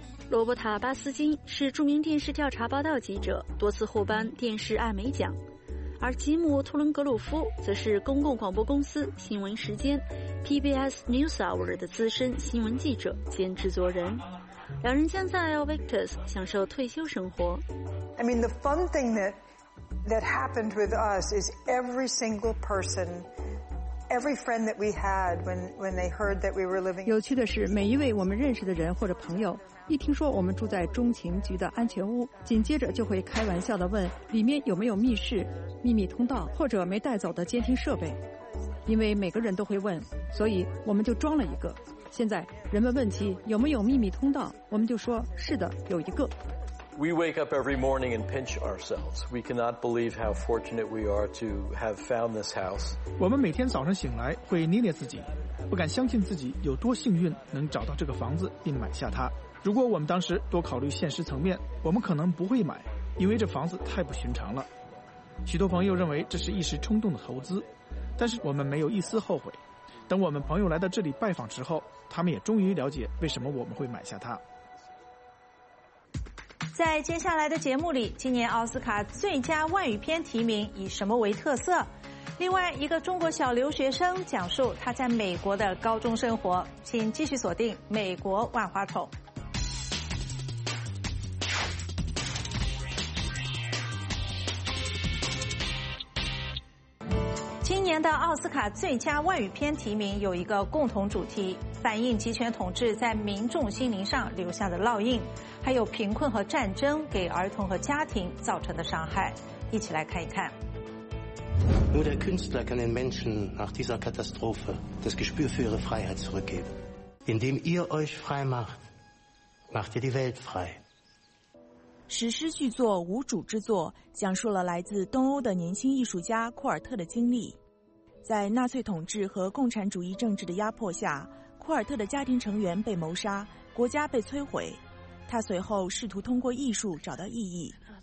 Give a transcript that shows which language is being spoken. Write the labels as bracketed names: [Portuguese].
[Chinese] 罗伯塔·巴斯金是著名电视调查报道记者，多次获颁电视艾美奖，而吉姆·托伦格鲁夫则是公共广播公司新闻时间 PBS NewsHour 的资深新闻记者兼制作人。两人将在 El Victus 享受退休生活。 [English] I mean the fun thing that happened with us is every single person, every friend that we had when they heard that we were living. [Chinese] 有趣的是，每一位我们认识的人或者朋友，一听说我们住在中情局的安全屋，紧接着就会开玩笑地问里面有没有密室、秘密通道或者没带走的监听设备。因为每个人都会问，所以我们就装了一个。现在人们问起有没有秘密通道，我们就说是的，有一个。 [English] We wake up every morning and pinch ourselves. We cannot believe how fortunate we are to have found this house. [Chinese] 我们每天早上醒来会捏捏自己，不敢相信自己有多幸运能找到这个房子并买下它。如果我们当时多考虑现实层面，我们可能不会买，因为这房子太不寻常了。许多朋友认为这是一时冲动的投资，但是我们没有一丝后悔。等我们朋友来到这里拜访之后，他们也终于了解为什么我们会买下它。在接下来的节目里，今年奥斯卡最佳外语片提名以什么为特色？另外一个中国小留学生讲述他在美国的高中生活，请继续锁定美国万花筒。今年的奥斯卡最佳外语片提名有一个共同主题，反映集权统治在民众心灵上留下的烙印，还有贫困和战争给儿童和家庭造成的伤害。一起来看一看。 [German] Nur der Künstler kann den Menschen nach dieser Katastrophe das Gespür für ihre Freiheit zurückgeben. Indem ihr euch frei macht, macht ihr die Welt frei. [Chinese] 史诗巨作《无主之作》讲述了来自东欧的年轻艺术家库尔特的经历。在纳粹统治和共产主义政治的压迫下，库尔特的家庭成员被谋杀，国家被摧毁。他随后试图通过艺术找到意义。